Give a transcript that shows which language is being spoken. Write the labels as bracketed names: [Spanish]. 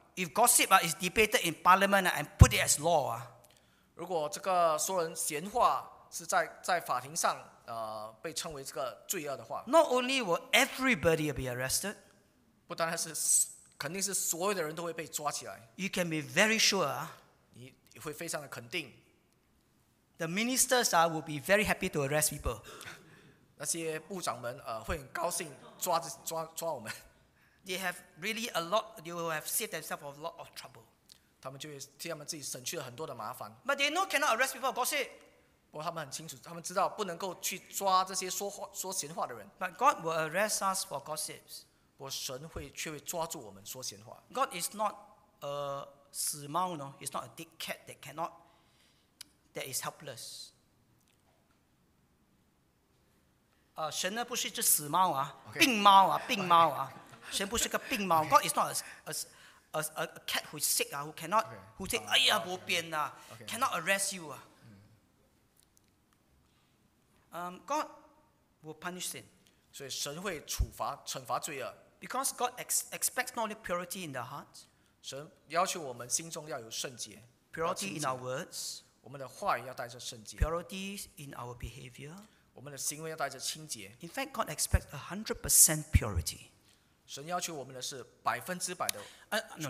[English] If gossip is debated in parliament and put it as law, [Chinese] 如果这个说人闲话是在法庭上, 被称为这个罪恶的话, [English] not only will everybody be arrested, [Chinese] 不单单是, 肯定是所有的人都会被抓起来, [English] you can be very sure, [Chinese] 你会非常的肯定, [English] the ministers will be very happy to arrest people. [Chinese] 那些部长们, 会很高兴抓我们。 [English] They have really a lot, they will have saved themselves a lot of trouble. [Chinese] 他们就替他们自己省去了很多的麻烦。 [English] But they know cannot arrest people, gossip. [Chinese] 不过他们很清楚, 他们知道不能够去抓这些说闲话的人。 [English] But God will arrest us for gossips. [Chinese] 不过神会却会抓住我们说闲话。 [English] God is not a 死猫, no? He's not a dead cat that cannot, that is helpless. [Chinese] 神呢不是一只死猫啊, [English] okay. [Chinese] 病猫啊, 病猫啊。神不是个病猫, [English] God is not a cat who is sick, who cannot, okay. Who say, [Chinese] 哎呀, 没变啊, [English] okay. Cannot arrest you. God will punish sin. [Chinese] 所以神会处罚, 惩罚罪恶, [English] because God expects not only purity in the heart, [Chinese] 神要求我们心中要有圣洁, [English] purity in our words, [Chinese] 我们的话语要带着圣洁, [English] purity in our behavior, [Chinese] 我们的行为要带着清洁, [English] in fact, God expects 100% purity. [Chinese] 神要求我们的是百分之百的完全。